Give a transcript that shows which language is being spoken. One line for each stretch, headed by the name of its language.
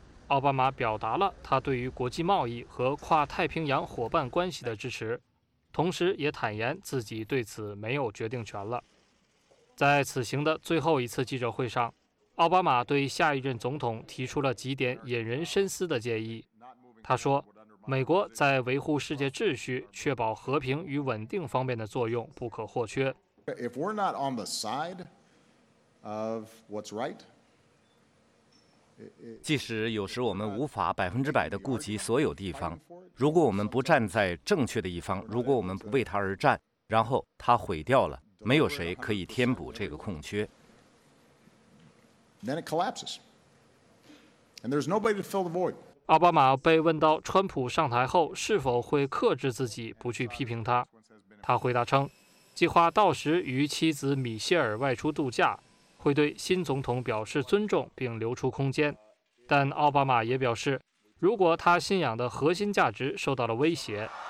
Chinese: 奥巴马表达了他对于国际贸易和跨太平洋伙伴关系的支持，同时也坦言自己对此没有决定权了。在此行的最后一次记者会上，奥巴马对下一任总统提出了几点引人深思的建议。他说，美国在维护世界秩序、确保和平与稳定方面的作用不可或缺。
English: If we're not on the side of what's right,
Chinese: 即使有时我们无法100%地顾及所有地方，如果我们不站在正确的一方，如果我们不为它而战，然后它毁掉了，没有谁可以填补这个空缺。
English: Then it collapses, and there's nobody to fill the void.
Chinese: 奥巴马被问到川普上台后是否会克制自己不去批评他，他回答称，计划到时与妻子米歇尔外出度假，会对新总统表示尊重并留出空间。但奥巴马也表示，如果他信仰的核心价值受到了威胁，